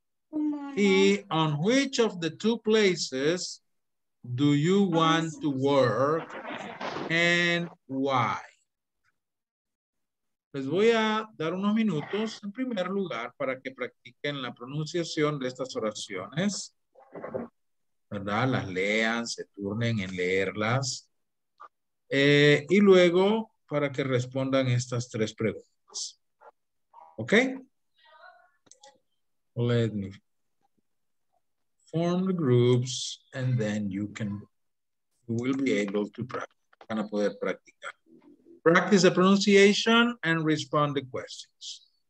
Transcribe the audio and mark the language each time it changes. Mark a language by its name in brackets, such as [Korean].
[English] Y on which of the two places do you want to work and why? [Spanish] Les voy a dar unos minutos en primer lugar para que practiquen la pronunciación de estas oraciones. ¿Verdad? Las lean, se turnen en leerlas. Y luego para que respondan estas tres preguntas. ¿Ok? [English] Let me form the groups and then you will be able to practice. [Spanish] Van a poder practicar. [English] Practice the pronunciation and respond the questions.